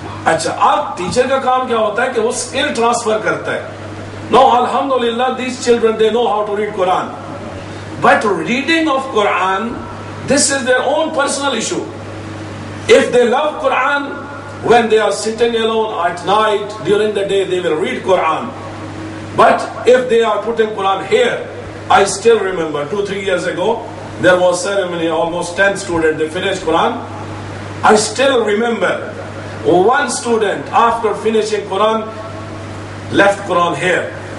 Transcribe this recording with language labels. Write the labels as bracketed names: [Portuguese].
[Urdu] اچھا اب ٹیچر کا کام کیا ہوتا ہے کہ وہ اسکل ٹرانسفر کرتا ہے. [English] No الحمدللہ these children they know how to read Quran, but reading of Quran this is their own personal issue. If they love Quran when they are sitting alone at night, during the day they will read Quran. But if they are putting Quran here, I still remember 2-3 years ago, there was ceremony, almost 10 students, they finished Quran. I still remember one student after finishing Quran, left Quran here.